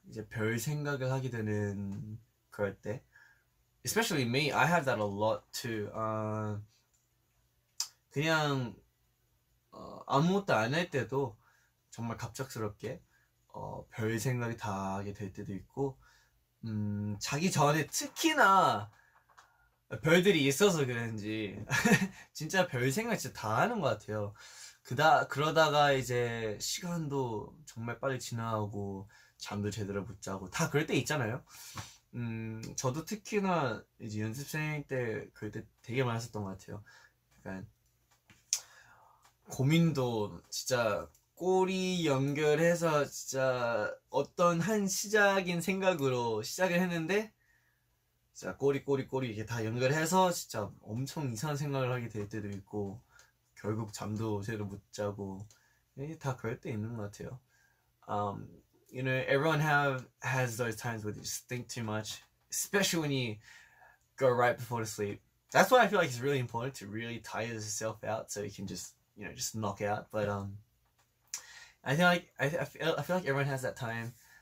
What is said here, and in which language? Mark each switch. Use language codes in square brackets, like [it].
[ko] 이제 별 생각을 하게 되는 그럴 때. [en] Especially me, I have that a lot too. [ko] 그냥 아무것도 안 할 때도 정말 갑작스럽게 별 생각이 다 하게 될 때도 있고 자기 전에 특히나 별들이 있어서 그런지 진짜 별 생각 진짜 다 하는 것 같아요. 그러다가 이제 시간도 정말 빨리 지나가고 잠도 제대로 못 자고 다 그럴 때 있잖아요. 저도 특히나 이제 연습생 때 그럴 때 되게 많았었던 것 같아요. 약간 고민도 진짜 꼬리 연결해서 진짜 어떤 한 시작인 생각으로 시작을 했는데 진짜 꼬리 이렇게 다 연결해서 진짜 엄청 이상한 생각을 하게 될 때도 있고 결국 잠도 제대로 못 자고 이게 다 그럴 때 있는 것 같아요. [en] You know, everyone has those times where they just think too much, especially when you go right before to sleep. That's why I feel like it's really important to really tire yourself out so you can just, you know, just knock out. But I feel like everyone has that time.